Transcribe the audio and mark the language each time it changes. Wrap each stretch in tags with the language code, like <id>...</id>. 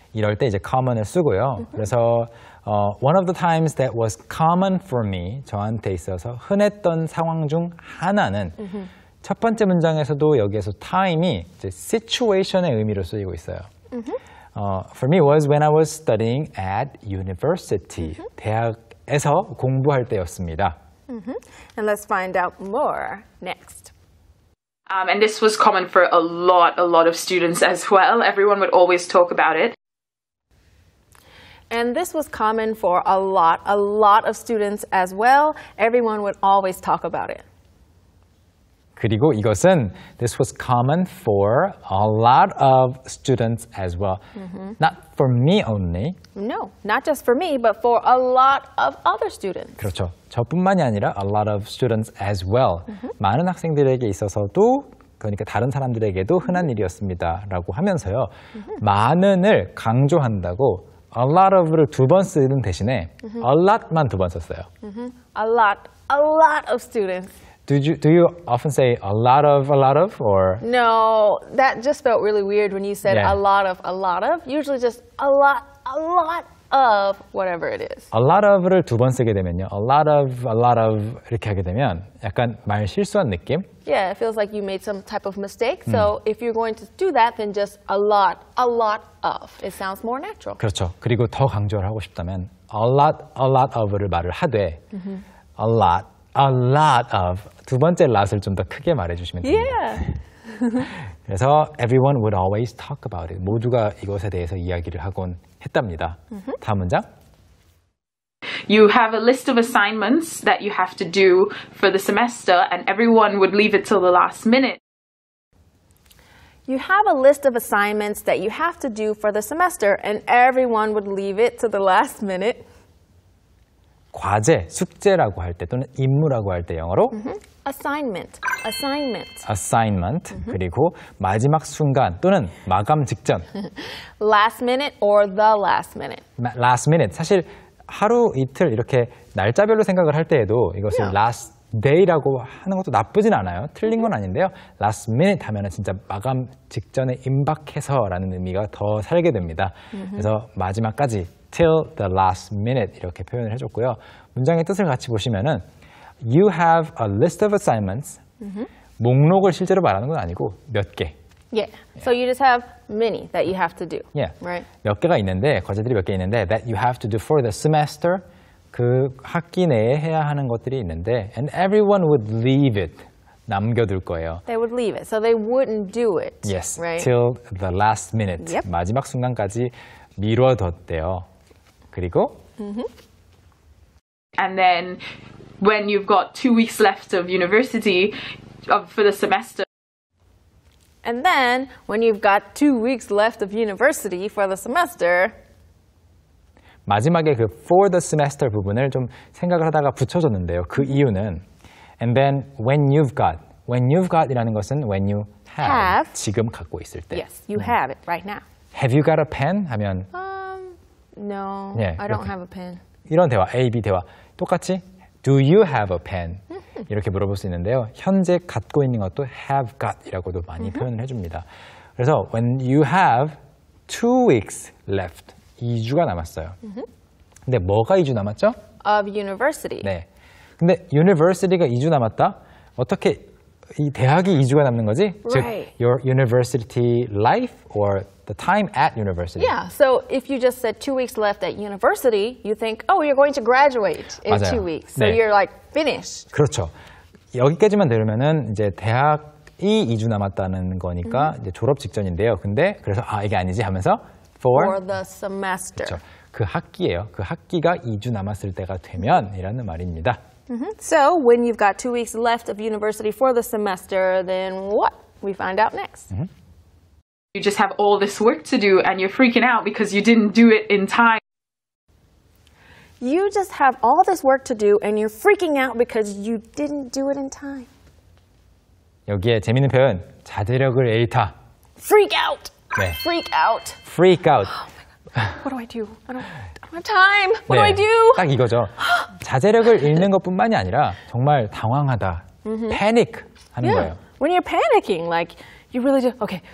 <ko>이럴 때 이제 common을 쓰고요. Mm-hmm. 그래서</ko> <en>one of the times that was common for me,</en> <ko>저한테 있어서 흔했던 상황 중 하나는 mm-hmm. 첫 번째 문장에서도 여기에서 time이 이제 situation의 의미로 쓰이고 있어요. Mm-hmm.</ko> <en>For me was when I was studying at university. Mm-hmm.</en> <ko>대학에서 공부할 때였습니다.</ko> <en>Mm-hmm. And let's find out more next. And this was common for a lot of students as well. Everyone would always talk about it. And this was common for a lot of students as well. Everyone would always talk about it.</en> <ko>그리고 이것은</ko> <en>this was common for a lot of students as well. Mm-hmm. Not for me only. No, not just for me, but for a lot of other students.</en> <ko>그렇죠. 저뿐만이 아니라</ko> <en>a lot of students as well. Mm-hmm.</en> <ko>많은 학생들에게 있어서도 그러니까 다른 사람들에게도 흔한 일이었습니다. 라고 하면서요. Mm-hmm. 많은을 강조한다고 a lot of를 두 번 쓰는 대신에 mm-hmm. a lot만 두 번 썼어요.</ko> <en>Mm-hmm. A lot of students. Do you often say a lot of or no? That just felt really weird when you said yeah. a lot of. Usually just a lot of whatever it is.</en> <ko>A lot of를 두 번 쓰게 되면요. a lot of 이렇게 하게 되면 약간 말 실수한 느낌?</ko> <en>Yeah, it feels like you made some type of mistake. So if you're going to do that, then just a lot of. It sounds more natural.</en> <ko>그렇죠. 그리고 더 강조를 하고 싶다면 a lot of를 말을 하되 a lot of 두 번째 lot을 좀 더 크게 말해주시면 됩니다.</ko> <en>Yeah. 그래서 everyone would always talk about it.</en> <ko>모두가 이것에 대해서 이야기를 하곤 했답니다. 다음 문장.</ko> <en>You have a list of assignments that you have to do for the semester and everyone would leave it till the last minute. You have a list of assignments that you have to do for the semester and everyone would leave it till the last minute.</en> <ko>과제, 숙제라고 할 때 또는 임무라고 할 때 영어로</ko> <en>assignment, assignment, assignment.</en> <ko>그리고 마지막 순간 또는 마감 직전</ko> <en>last minute or the last minute. Last minute.</en> <ko>사실 하루 이틀 이렇게 날짜별로 생각을 할 때에도 이것을 last day라고 하는 것도 나쁘진 않아요. 틀린 건 아닌데요. Last minute 하면은 진짜 마감 직전에 임박해서라는 의미가 더 살게 됩니다. 그래서 마지막까지.</ko> <en>Till the last minute</en> <ko>이렇게 표현을 해줬고요. 문장의 뜻을 같이 보시면은</ko> <en>You have a list of assignments.</en> <ko>목록을 실제로 말하는 건 아니고 몇 개.</ko> <en>Yeah. So you just have many that you have to do. Yeah. Right.</en> <ko>몇 개가 있는데 과제들이 몇 개 있는데</ko> <en>that you have to do for the semester</en> <ko>그 학기 내에 해야 하는 것들이 있는데</ko> <en>and everyone would leave it.</en> <ko>남겨둘 거예요.</ko> <en>They would leave it. So they wouldn't do it. Yes. Right. Till the last minute. Yep.</en> <ko>마지막 순간까지 미뤄뒀대요. 그리고</ko> <en>And then when you've got 2 weeks left of university for the semester. And then when you've got 2 weeks left of university for the semester.</en> <ko>마지막에 그 for the semester 부분을 좀 생각을 하다가 붙여줬는데요. 그 이유는</ko> <en>And then when you've got</en> <ko>이라는 것은 when you have 지금 갖고 있을 때.</ko> <en>Yes, you have it right now. Have you got a pen? 하면 No, 네, I don't 이렇게, have a pen.</en> <ko>이런 대화, A, B 대화 똑같이</ko> <en>Do you have a pen?</en> <ko>이렇게 물어볼 수 있는데요. 현재 갖고 있는 것도 have got이라고도 많이 표현을 해줍니다. 그래서</ko> <en>when you have 2 weeks left,</en> <ko>2주가 남았어요. 근데 뭐가 2주 남았죠?</ko> <en>Of university.</en> <ko>네. 근데 university가 2주 남았다? 어떻게 이 대학이 2주가 남는 거지?</ko> <en>Right. 즉, your university life or the time at university. Yeah, so if you just said 2 weeks left at university, you think, oh, you're going to graduate in</en> <ko>맞아요.</ko> <en>2 weeks. So 네. you're like finished.</en> <ko>그렇죠. 여기까지만 들으면은 이제 대학이 2주 남았다는 거니까 이제 졸업 직전인데요. 근데 그래서 아, 이게 아니지 하면서</ko> <en>for the semester.</en> <ko>그렇죠. 그 학기예요. 그 학기가 2주 남았을 때가 되면 이라는 말입니다.</ko> <en>So when you've got 2 weeks left of university for the semester, then what? We find out next. You just have all this work to do and you're freaking out because you didn't do it in time. You just have all this work to do and you're freaking out because you didn't do it in time.</en> <ko>여기에 재밌는 표현, 자제력을 잃다.</ko> <en>Freak out!</en> <ko>네.</ko> <en>Freak out! Freak out! What do I do? I don't have time. What</en> <ko>네,</ko> <en>do I do?</en> <ko>딱 이거죠. 자제력을 잃는 것뿐만이 아니라 정말 당황하다. Panic 하는</ko> <en>yeah.</en> <ko>거예요.</ko> <en>When you're panicking, like you really just okay.</en>